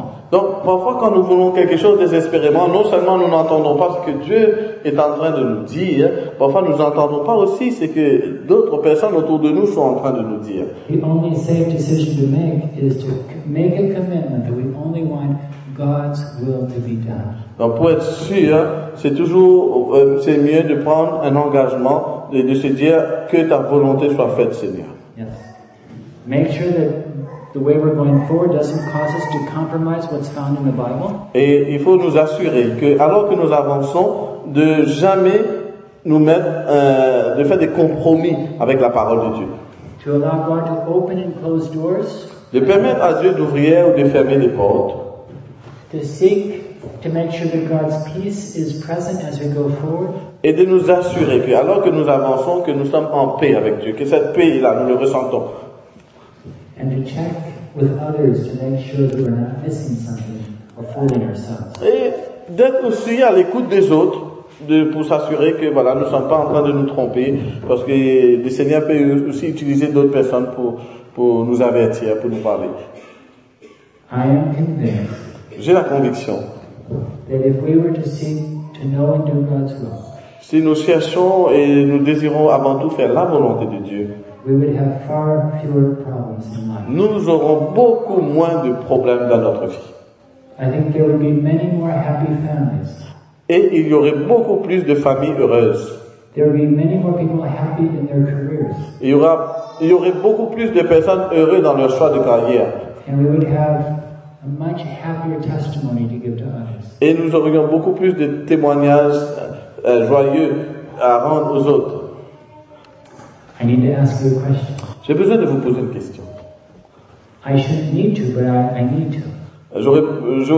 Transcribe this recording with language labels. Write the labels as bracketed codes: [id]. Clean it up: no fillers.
[fr] Donc, parfois, quand nous voulons quelque chose désespérément, non seulement nous n'entendons pas ce que Dieu est en train de nous dire, parfois nous n'entendons pas aussi ce que d'autres personnes autour de nous sont en train de nous dire. [en] The only safe decision to make is to make a commitment that we only want God's will to be done. [fr] Donc, pour être sûr, c'est toujours c'est mieux de prendre un engagement et de se dire que ta volonté soit faite, Seigneur. [en] Yes. Make sure that the way we're going forward doesn't cause us to compromise what's found in the Bible. [fr] Et il faut nous assurer que, alors que nous avançons, de jamais nous mettre de faire des compromis avec la parole de Dieu. [en] To allow God to open and close doors. [fr] De permettre à Dieu d'ouvrir ou de fermer les portes. [en] To seek to make sure that God's peace is present as we go forward. [fr] Et de nous assurer que, alors que nous avançons, que nous sommes en paix avec Dieu, que cette paix-là, nous le ressentons. [en] And to check with others to make sure that we're not missing something or fooling ourselves. [fr] Et d'être aussi à l'écoute des autres, pour s'assurer que voilà, nous ne sommes pas en train de nous tromper, parce que le Seigneur peut aussi utiliser d'autres personnes pour nous avertir, pour nous parler. [en] I am convinced. [fr] J'ai la conviction. [en] That if we were to seek to know and do God's will. [fr] Si nous cherchons et nous désirons avant tout faire la volonté de Dieu. [en] We would have far fewer problems in life. [fr] Nous aurons beaucoup moins de problèmes dans notre vie. [en] I think there would be many more happy families. [fr] Et il y aurait beaucoup plus de familles heureuses. [en] There would be many more people happy in their careers. [fr] Il y aurait beaucoup plus de personnes heureuses dans leur choix de carrière. [en] And we would have a much happier testimony to give to others. [fr] Et nous aurions beaucoup plus de témoignages joyeux à rendre aux autres. [en] I need to ask you a question. [fr] J'ai besoin de vous poser une question. [en] I shouldn't need to, but I need to.